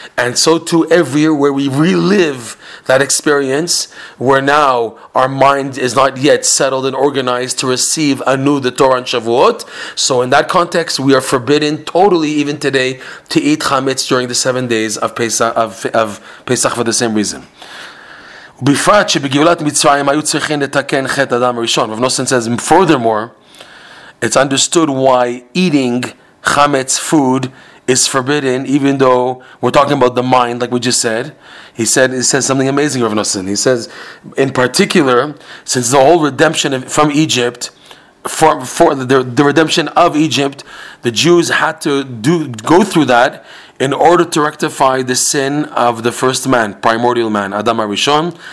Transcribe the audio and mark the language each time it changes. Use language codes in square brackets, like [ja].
[en] And so too, every year where we relive that experience, where now our mind is not yet settled and organized to receive anew the Torah and Shavuot. So in that context, we are forbidden totally, even today, to eat chametz during the 7 days of Pesach, of Pesach, for the same reason. [he] ובפרט שבגאולת מצרים היו צריכים לתקן חטא אדם הראשון. [en] Rav Nosson says, furthermore, it's understood why eating chametz food is forbidden, even though we're talking about the mind, like we just said. He says something amazing, Rav Nosson. He says, in particular, since the whole redemption from Egypt, for the redemption of Egypt, the Jews had to go through that in order to rectify the sin of the first man, primordial man, Adam HaRishon.